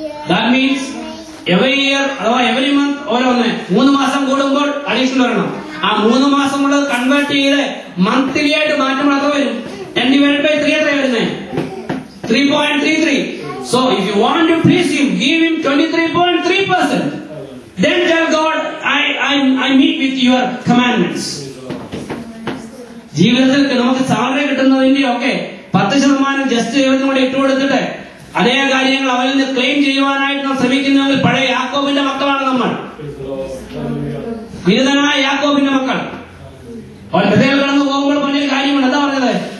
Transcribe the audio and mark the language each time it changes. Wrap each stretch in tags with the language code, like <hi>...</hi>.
<en>That means every year,</en> <ml>അഥവാ every month ഓരോന്ന്, 3 മാസം കൂടുമ്പോൾ അഡീഷണൽ വരണം. ആ 3 മാസം കൂടെ കൺവേർട്ട് ചെയ്ത് മന്ത്ലി ആയിട്ട് മാറ്റുമ്പോൾ അത്ര വരും. 10 ÷ 3 അത്ര വരുന്നേ 3.33.</ml> <en>So if you want to please him, give him 23.3%. Then tell God, I meet with your commandments.</en> <ml>ജീവിതത്തിൽ നമുക്ക് സാലറി കിട്ടുന്നതിന്റെ ഒക്കെ 10% ജസ്റ്റ് ജീവിതം കൂടെ ഇട്ടു കൊടുത്തിട്ട് അതേ കാര്യങ്ങൾ അവരിൽ നിന്ന് ക്ലെയിം ചെയ്യുവാനായിട്ട് നാം ശ്രമിക്കുന്നവരിൽ പഴയ യാക്കോബിന്റെ മക്കളാണ് നമ്മൾ. വിരുദ്ധനായ യാക്കോബിന്റെ മക്കൾ ഹൃദയം കടന്നു പോകുമ്പോൾ പറഞ്ഞൊരു കാര്യമാണ്. എന്താ പറഞ്ഞത്?</ml>